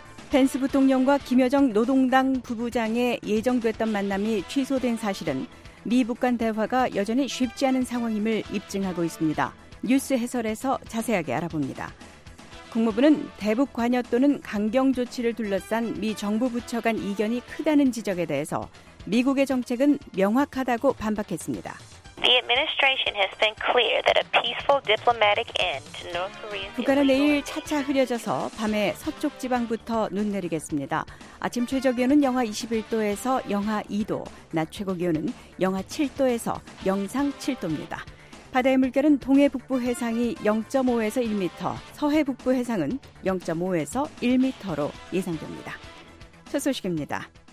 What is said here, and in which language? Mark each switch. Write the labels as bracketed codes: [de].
[ko] 펜스 부통령과 김여정 노동당 부부장의 예정됐던 만남이 취소된 사실은 미북 간 대화가 여전히 쉽지 않은 상황임을 입증하고 있습니다. 뉴스 해설에서 자세하게 알아봅니다. 국무부는 대북 관여 또는 강경 조치를 둘러싼 미 정부 부처 간 이견이 크다는 지적에 대해서 미국의 정책은 명확하다고 반박했습니다. [en] The administration has been clear that a peaceful diplomatic end to North Korea's [ko] 북한은 내일 차차 흐려져서 밤에 서쪽 지방부터 눈 내리겠습니다. 아침 최저 기온은 영하 21도에서 영하 2도, 낮 최고 기온은 영하 7도에서 영상 7도입니다. 바다의 물결은 동해 북부 해상이 0.5에서 1m, 서해 북부 해상은 0.5에서 1m로 예상됩니다. 첫 소식입니다.